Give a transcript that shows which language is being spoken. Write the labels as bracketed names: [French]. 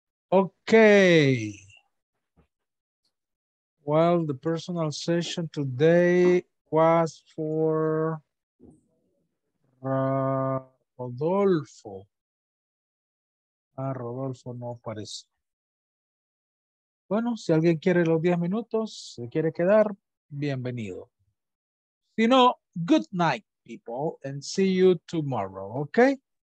[English] Okay. Well, the personal session today was for Rodolfo. [Spanish] Rodolfo no apareció. Bueno, si alguien quiere los 10 minutos, se quiere quedar, bienvenido. Si no, [English] good night, people, and see you tomorrow, okay?